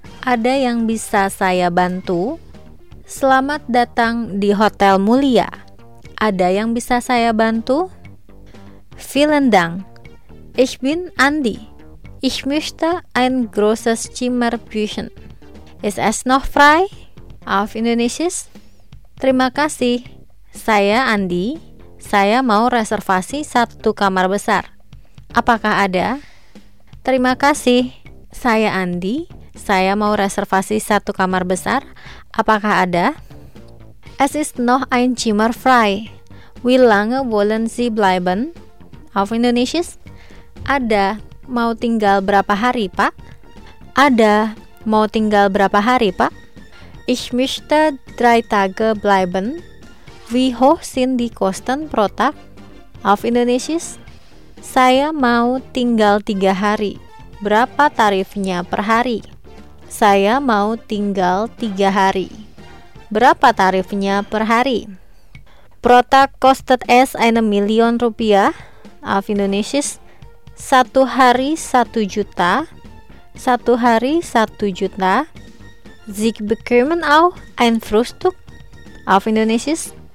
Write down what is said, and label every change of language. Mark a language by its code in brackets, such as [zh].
[id] Ada yang bisa saya bantu? Selamat datang di Hotel Mulia. Ada yang bisa saya bantu? [de] Vielen Dank. Ich bin Andi. Ich möchte ein großes Zimmer buchen. Ist es noch frei? Auf Indonesisch. [id] Terima kasih. Saya Andi. Saya mau reservasi satu kamar besar. Apakah ada? Terima kasih. Saya Andi. Saya mau reservasi satu kamar besar. Apakah ada? [de] Es ist noch ein Zimmer frei. Wie lange wollen Sie bleiben? Auf Indonesisch? [id] Ada. Mau tinggal berapa hari, Pak? Ada. Mau tinggal berapa hari, Pak? [de] Ich möchte drei Tage bleiben. Wie hoch sind die Kosten pro Tag? Auf Indonesisch? [id] Saya mau tinggal tiga hari. Berapa tarifnya per hari? Saya mau tinggal tiga hari. Berapa tarifnya per hari? [de] Pro tag kostet es eine Million Rupiah. Auf Indonesisch. [id] Satu hari satu juta. Satu hari satu juta. [de] Sie bekommen auch ein Frühstück. Auf Indonesisch.